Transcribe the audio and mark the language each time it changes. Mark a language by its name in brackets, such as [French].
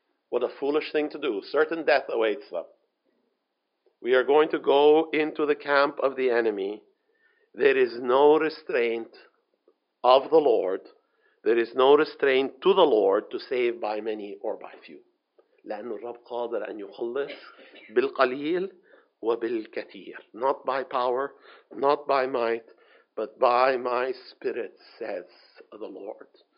[English] What a foolish thing to do. Certain death awaits them. We are going to go into the camp of the enemy. There is no restraint of the Lord. There is no restraint to the Lord to save by many or by few. [Arabic] لأن الرب قادر أن يخلص بالقليل وبالكثير. [English] Not by power, not by might, but by my spirit, says the Lord.